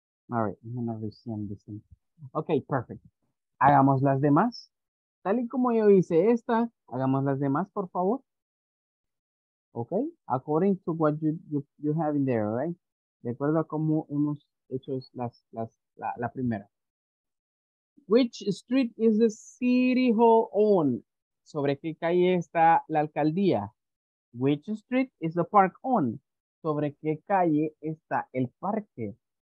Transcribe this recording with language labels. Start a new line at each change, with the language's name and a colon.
English: All right, I'm gonna resend this thing. Okay, perfect.
Spanish: Hagamos las demás. Tal y como yo hice esta, hagamos las demás, por favor.
English: Okay, according to what you have in there, right?
Spanish: De acuerdo a cómo hemos hecho la primera.
English: Which street is the city hall on?
Spanish: ¿Sobre qué calle está la alcaldía?
English: Which street is the park on?
Spanish: ¿Sobre qué calle está el parque?